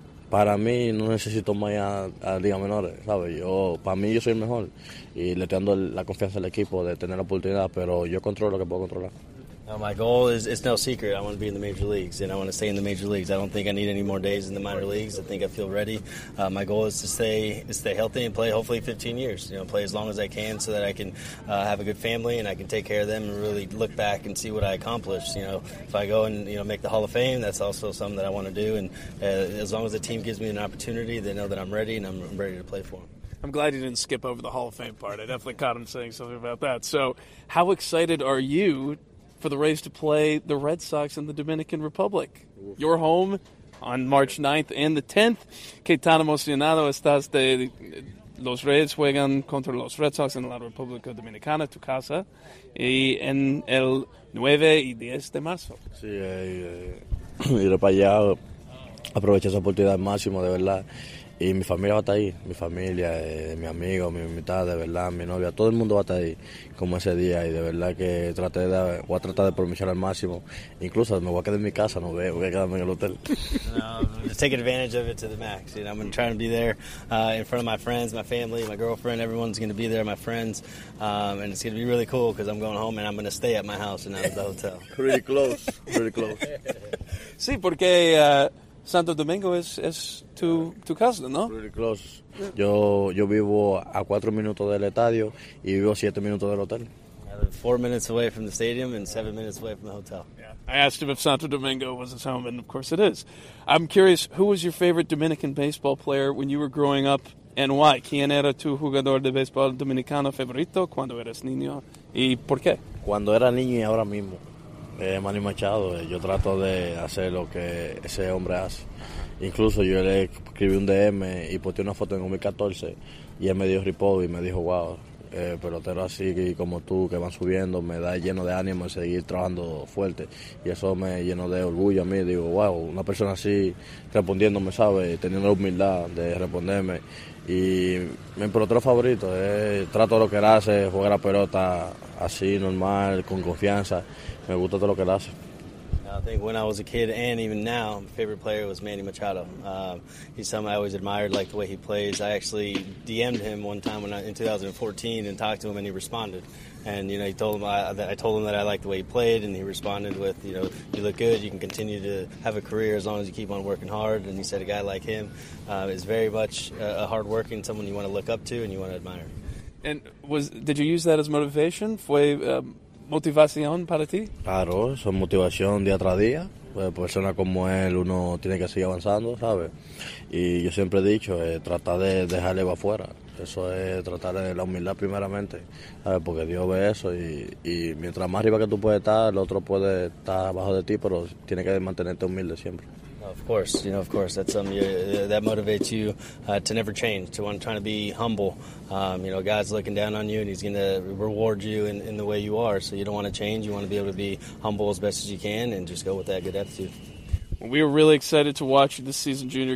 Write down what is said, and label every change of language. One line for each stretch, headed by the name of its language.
Spanish: Para mí no necesito más a Liga Menores, ¿sabes? Para mí yo soy el mejor y le estoy dando la confianza al equipo de tener la oportunidad, pero yo controlo lo que puedo controlar.
English: My goal is, it's no secret, I want to be in the major leagues, and I want to stay in the major leagues. I don't think I need any more days in the minor leagues. I think I feel ready. My goal is to stay healthy and play hopefully 15 years, you know, play as long as I can so that I can have a good family and I can take care of them and really look back and see what I accomplished. You know, if I go and, you know, make the Hall of Fame, that's also something that I want to do, and as long as the team gives me an opportunity, they know that I'm ready and I'm ready to play for them. I'm glad you didn't skip over the Hall of Fame part. I definitely caught him saying something about that. So how excited are you for the Rays to play the Red Sox in the Dominican Republic, your home, on March 9th and the 10th?
Spanish: ¿Qué tan emocionado estás de los Rays juegan contra los Red Sox en la República Dominicana, tu casa, y en el 9 y 10 de marzo? Sí, ir para allá, aprovechar esa oportunidad al máximo, de verdad. Y mi familia va a estar ahí, mi familia, mi amigo, mi mitad, de verdad, mi novia, todo el mundo va a estar ahí como ese día. Y de verdad que voy a tratar de aprovechar al máximo. Incluso me voy a quedar en mi casa, no voy a quedarme en el hotel.
English: Just taking advantage of it to the max. You know, I'm going to try to be there in front of my friends, my family, my girlfriend. Everyone's going to be there, my friends. And it's going to be really cool because I'm going home and I'm going to stay at my house and not at the hotel. Pretty close, pretty close.
Spanish: Sí, porque Santo Domingo es tu casa, ¿no?
English: Pretty close.
Spanish: Yo vivo a 4 minutos del estadio y vivo 7 minutos del hotel.
English: 4 minutes away from the stadium and 7 minutes away from the hotel. Yeah. I asked him if Santo Domingo was his home, and of course it is. I'm curious, who was your favorite Dominican baseball player when you were growing up, and why?
Spanish: ¿Quién era tu jugador de béisbol dominicano favorito cuando eras niño y por qué? Cuando era niño y ahora mismo. Manny Machado. Yo trato de hacer lo que ese hombre hace. Incluso yo le escribí un DM y posté una foto en 2014 y él me dio repost y me dijo, wow, pelotero así como tú que van subiendo me da lleno de ánimo de seguir trabajando fuerte. Y eso me llenó de orgullo a mí. Digo, wow, una persona así respondiéndome, ¿sabes? Teniendo la humildad de responderme. Y mi pelotero favorito, trato de lo que él hace, jugar a pelota así, normal, con confianza. Me gusta todo lo que él hace.
English: I think when I was a kid and even now, my favorite player was Manny Machado. He's someone I always admired, like the way he plays. I actually DM'd him one time in 2014 and talked to him, and he responded. And, you know, I told him that I liked the way he played, and he responded with, you know, you look good, you can continue to have a career as long as you keep on working hard. And he said a guy like him is very much a hardworking, someone you want to look up to and you want to admire. And did you use that as motivation?
Spanish: ¿Motivación para ti? Claro, eso es motivación día tras día. Pues persona como él, uno tiene que seguir avanzando, ¿sabes? Y yo siempre he dicho, tratar de dejarle va afuera. Eso es tratar de la humildad primeramente, ¿sabes? Porque Dios ve eso y mientras más arriba que tú puedes estar, el otro puede estar abajo de ti, pero tiene que mantenerte humilde siempre.
English: Of course, you know, of course, that's something that motivates you to never change, to want trying to be humble. You know, God's looking down on you and he's going to reward you in the way you are. So you don't want to change. You want to be able to be humble as best as you can and just go with that good attitude. Well, we are really excited to watch you this season, Junior.